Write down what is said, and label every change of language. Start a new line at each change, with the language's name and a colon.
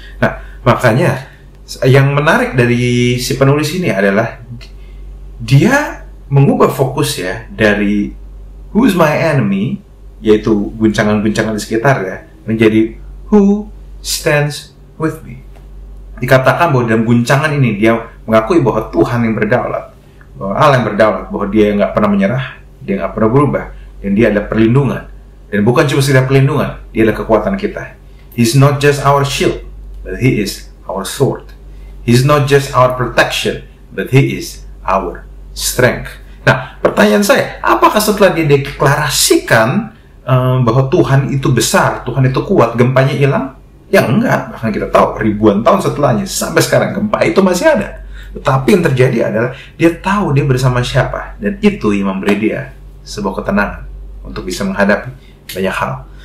Indonesian: Nah, makanya yang menarik dari si penulis ini adalah dia mengubah fokus, ya, dari
English: who's my enemy,
Indonesian: yaitu guncangan-guncangan di sekitar, ya, menjadi
English: who stands with me.
Indonesian: Dikatakan bahwa dalam guncangan ini dia mengakui bahwa Tuhan yang berdaulat, bahwa Allah yang berdaulat, bahwa dia yang gak pernah menyerah, dia gak pernah berubah, dan dia adalah perlindungan. Dan bukan cuma sekedar perlindungan, dia adalah kekuatan kita.
English: He's not just our shield, but he is our sword. He's not just our protection, but he is our strength.
Indonesian: Nah, pertanyaan saya, apakah setelah dia deklarasikan bahwa Tuhan itu besar, Tuhan itu kuat, gempanya hilang? Ya enggak, bahkan kita tahu ribuan tahun setelahnya, sampai sekarang gempa itu masih ada. Tetapi yang terjadi adalah dia tahu dia bersama siapa, dan itu yang memberi dia sebuah ketenangan untuk bisa menghadapi banyak hal.